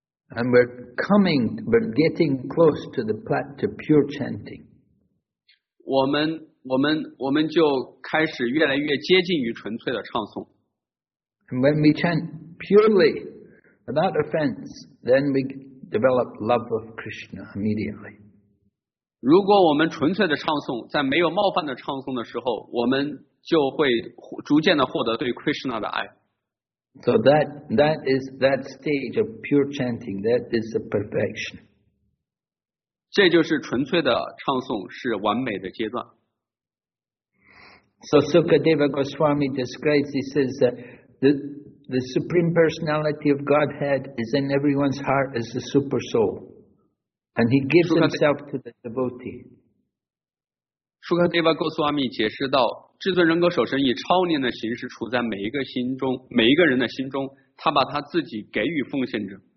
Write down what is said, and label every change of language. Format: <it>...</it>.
<en>And we're getting close to the plat to pure chanting. We</en> <zh>就开始越来越接近于纯粹的唱诵。</zh> <en>And when we chant purely without offense, then we develop love of Krishna immediately.</en> <zh>如果我们纯粹的唱诵，在没有冒犯的唱诵的时候，我们就会逐渐的获得对 Krishna 的爱。</zh> <en>So that is that stage of pure chanting. That is the perfection.</en> <zh>这就是纯粹的唱诵是完美的阶段。</zh> <en>So Sukadeva Goswami describes, he says that the Supreme Personality of Godhead is in everyone's heart as the Super Soul. And he gives himself to the devotee.</en> <zh>Sukadeva Goswami 解释到，至尊人格守身以超念的形式处在每一个心中，每一个人的心中，他把他自己给予奉献者。</zh>